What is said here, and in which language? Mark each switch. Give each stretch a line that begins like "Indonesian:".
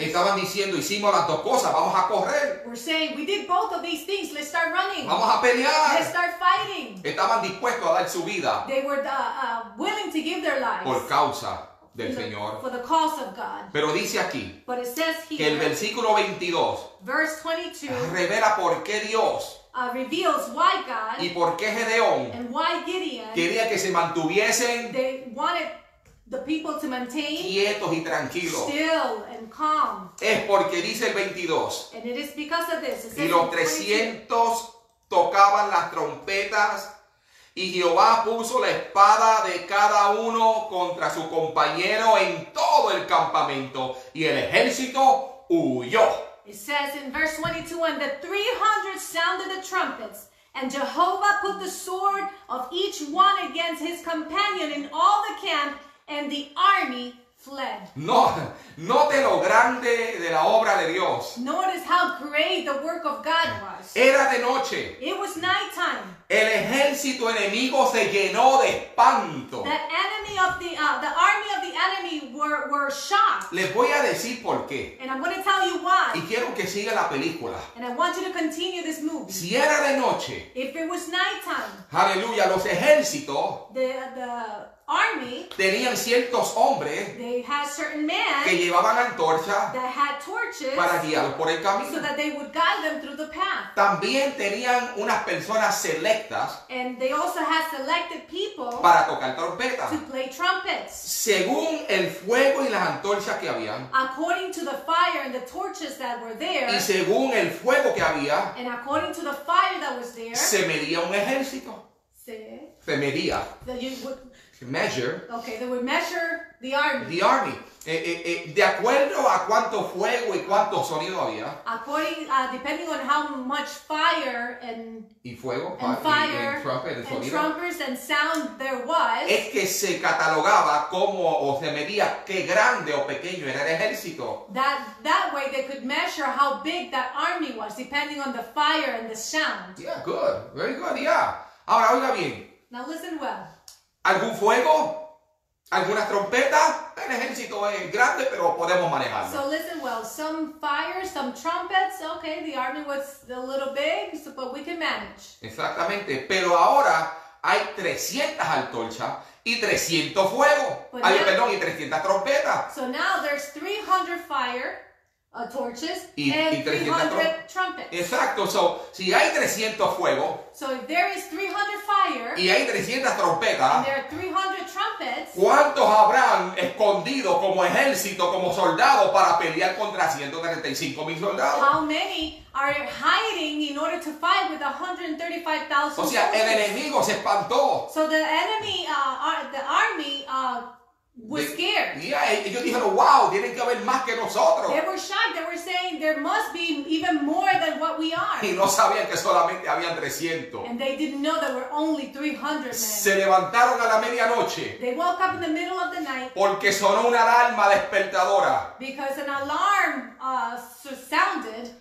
Spanish: Estaban diciendo, hicimos las dos cosas, vamos a correr.
English: We're saying, we did both of these things, let's start running.
Spanish: Vamos a pelear.
English: Let's start fighting.
Spanish: Estaban dispuestos a dar su vida.
English: They were willing to give their lives.
Spanish: Por causa del Señor.
English: For the cause of God.
Spanish: Pero dice aquí.
English: But it says here.
Spanish: Que el versículo 22.
English: Verse 22.
Spanish: Revela por qué Dios.
English: Reveals why God.
Spanish: Y por qué Gedeón.
English: And why Gideon.
Spanish: Quería que se mantuviesen.
English: They wanted the people to maintain.
Spanish: Quietos y tranquilos.
English: Still and calm.
Spanish: Es porque dice el 22.
English: And it is because of this.
Spanish: Y los 300 tocaban las trompetas. Y Jehová puso la espada de cada uno contra su compañero en todo el campamento. Y el ejército huyó.
English: It says in verse 22, and the 300 sounded the trumpets. And Jehovah put the sword of each one against his companion in all the camp. And the army fled.
Spanish: No, note lo grande de la obra de Dios.
English: Notice how great the work of God was.
Spanish: Era de noche.
English: It was nighttime.
Spanish: El ejército enemigo se llenó de espanto.
English: The enemy of the army of the enemy were shocked.
Spanish: Les voy a decir por qué.
English: And I'm going to tell you why.
Spanish: Y quiero que siga la película.
English: And I want you to continue this movie.
Spanish: Si era de noche.
English: If it was nighttime.
Spanish: Aleluya, los ejércitos.
English: The army.
Spanish: Tenían ciertos hombres.
English: They had certain men.
Spanish: Que llevaban antorchas.
English: That had torches.
Spanish: Para guiarlos por el camino.
English: So that they would guide them through the path.
Spanish: También tenían unas personas selectas.
English: And they also had selected people.
Spanish: Para tocar trompetas.
English: To play trumpets.
Spanish: Según el fuego y las antorchas que habían.
English: According to the fire and the torches that were there.
Spanish: Y según el fuego que había.
English: And according to the fire that was there.
Spanish: Se medía un ejército. Sí. Se medía.
English: Measure. Okay, they would measure the army. The army.
Spanish: De acuerdo a cuánto fuego y cuánto sonido había.
English: Depending on how much fire and.
Spanish: Y fuego.
English: And fire. And trumpet and
Spanish: sonido.
English: And trumpets and sound there was.
Spanish: Es que se catalogaba cómo o se medía qué grande o pequeño era el ejército.
English: That way they could measure how big that army was depending on the fire and the sound. Yeah, good. Very good, yeah.
Spanish: Ahora, oiga bien.
English: Now listen well.
Spanish: ¿Algún fuego? ¿Algunas trompetas? El ejército es grande, pero podemos manejarlo.
English: So listen well. Some fire, some trumpets. Okay, the army was a little big, but we can manage.
Spanish: Exactamente. Pero ahora hay 300 antorchas y 300 fuegos. Y 300 trompetas.
English: So now there's 300 fire. Torches
Spanish: y,
English: and
Spanish: y
English: 300 trumpets.
Spanish: Exacto. So, si hay 300 fuego.
English: So, if there is 300 fire.
Spanish: Y hay 300 trompetas.
English: And there are 300 trumpets.
Spanish: ¿Cuántos habrán escondido como ejército, como soldados para pelear contra 135,000 soldados?
English: How many are hiding in order to fight with 135,000 soldiers?
Spanish: O sea, el enemigo se espantó.
English: So, the enemy, the army, was scared.
Spanish: Yeah, ellos dijeron, wow, tienen que haber más que nosotros.
English: They were shocked. They were saying, there must be even more than what we are.
Spanish: Y no sabían que solamente habían 300.
English: And they didn't know there were only 300 men.
Spanish: Se levantaron a la medianoche.
English: They woke up in the middle of the night.
Spanish: Porque sonó una alarma despertadora.
English: Because an alarm sounded.